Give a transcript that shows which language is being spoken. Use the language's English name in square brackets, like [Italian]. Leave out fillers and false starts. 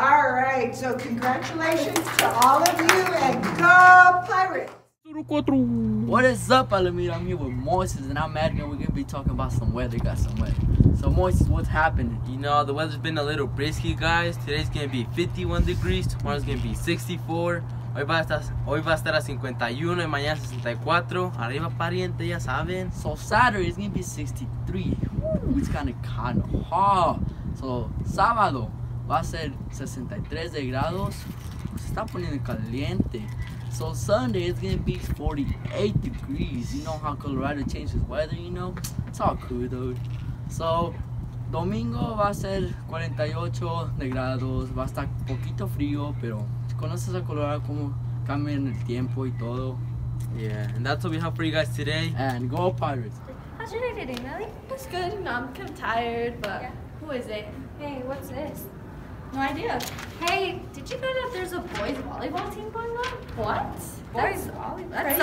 [English] All right, so congratulations to all of you, and go Pirates! What is up, Alameda? I'm here with Moises, and I imagine we're going to be talking about some weather. Got some weather. So, Moises, what's happening? You know, the weather's been a little brisky, guys. Today's going to be 51 degrees. Tomorrow's going to be 64. [Spanish] Hoy va a estar a 51 y mañana 64. Arriba, pariente, ya saben. [English] So, Saturday is going to be 63. Woo. it's kind of hot. [Spanish] So, sábado va a ser 63 de grados. Se está poniendo caliente. [English] So, Sunday it's going to be 48 degrees. You know how Colorado changes weather, you know? It's all cool, dude. [Spanish] So, domingo va a ser 48 de grados. Va a estar poquito frío, pero si conoces a Colorado, como cambian el tiempo y todo. [English] Yeah, and that's what we have for you guys today. And go Pirates! How's your day today, Nelly? It's good. No, I'm kind of tired, but yeah. Who is it? Hey, what's this? No idea. Hey, did you know that there's a boys volleyball team going on? What? Boys volleyball? That's